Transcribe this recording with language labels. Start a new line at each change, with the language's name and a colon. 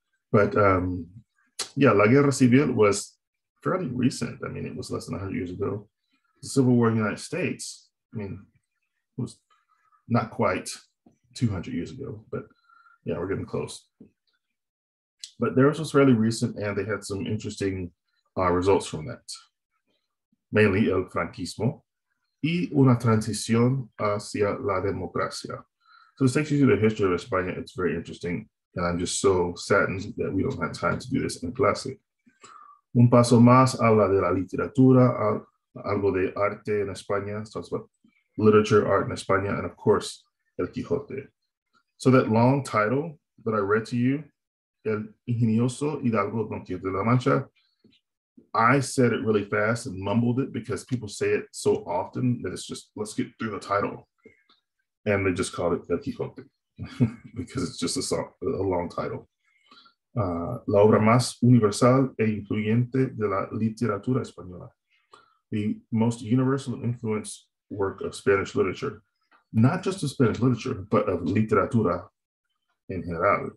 English: But yeah, La Guerra Civil was fairly recent. I mean, it was less than 100 years ago. The Civil War in the United States, I mean, it was not quite 200 years ago, but yeah, we're getting close. But theirs was fairly recent, and they had some interesting results from that.
Spanish: Mainly el franquismo y una transición hacia la democracia.
English: So this takes you to the history of España. It's very interesting, and I'm just so saddened that we don't have time to do this in clase.
Spanish: Un paso más habla de la literatura, algo de arte en España.
English: So it's about literature, art in España, and of course, El Quijote. So that long title that I read to you, El Ingenioso Hidalgo Don Quijote de la Mancha, I said it really fast and mumbled it because people say it so often that it's just, let's get through the title. And they just called it El Quijote because it's just a song, a long title.
Spanish: La obra más universal e influyente de la literatura española.
English: The most universal and influential work of Spanish literature. Not just of Spanish literature, but of literatura in general.